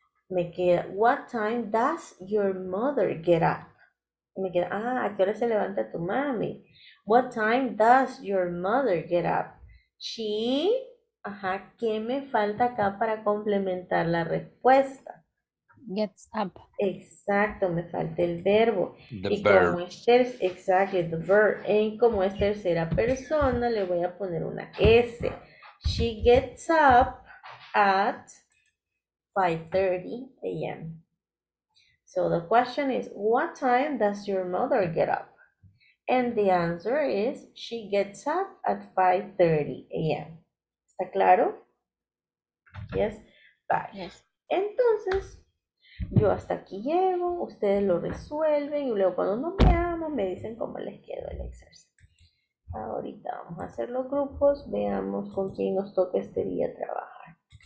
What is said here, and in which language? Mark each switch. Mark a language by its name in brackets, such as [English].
[Spanish] Me queda, [English] what time does your mother get up? [Spanish] Me queda, ah, ¿a qué hora se levanta tu mami? [English] What time does your mother get up? [Spanish] She, ajá, ¿qué me falta acá para complementar la respuesta? [English] Gets up. [Spanish] Exacto, me falta el verbo. [English] The verb. Exactly, the verb. [Spanish] En como es tercera persona, le voy a poner una S. [English] She gets up at 5:30 a.m. So the question is, what time does your mother get up? And the answer is, she gets up at 5:30 a.m. [Spanish] ¿Está claro? [English] Yes. Bye. Yes. [Spanish] Entonces, yo hasta aquí llego, ustedes lo resuelven y luego cuando no me aman me dicen cómo les quedó el exercicio. Ahorita vamos a hacer los grupos, veamos con quién nos toca este día trabajar.